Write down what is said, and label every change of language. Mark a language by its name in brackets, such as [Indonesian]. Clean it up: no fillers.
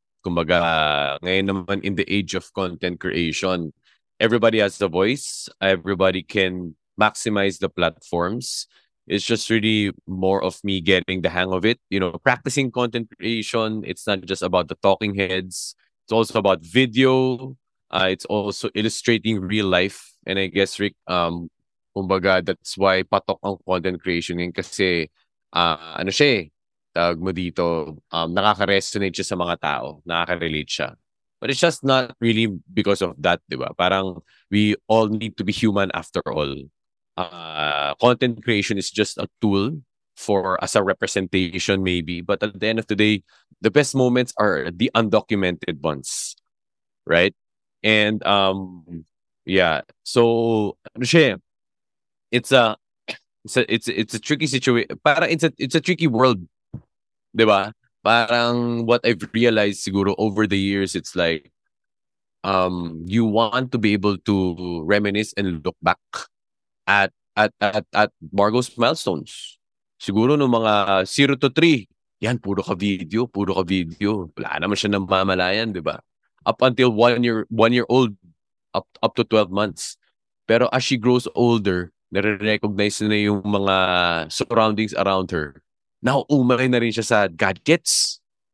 [Filipino] Kumbaga, ngayon naman [English] in the age of content creation, everybody has a voice. Everybody can maximize the platforms. It's just really more of me getting the hang of it. You know, practicing content creation, it's not just about the talking heads. It's also about video. It's also illustrating real life. And I guess, [Filipino] Rick, kumbaga, [English] that's why [Filipino] patok ang content creation ngayon kasi, ano siya eh, tawag mo dito, nakaka-resonate siya sa mga tao, nakaka-relate siya. [English] But it's just not really because of that, [Filipino] di ba? Parang [English] we all need to be human after all. Content creation is just a tool for as a representation maybe. But at the end of the day, the best moments are the undocumented ones, right? And yeah, so [Filipino] ano siya, [English] it's a tricky situation. [Filipino] Parang [English] it's a tricky world, [Filipino] di ba? Parang [English] what I've realized [Filipino] siguro [English] over the years, it's like you want to be able to reminisce and look back at Margo's milestones. [Filipino] Siguro no mga 0 to 3, yan, puro ka video. Wala naman siya ng mamalayan, di ba? [English] Up until one year old, up to 12 months. [Filipino] Pero [English] as she grows older, [Filipino] nare-recognize na yung mga [English] surroundings around her. [Filipino] Nauumay na rin siya sa gadgets.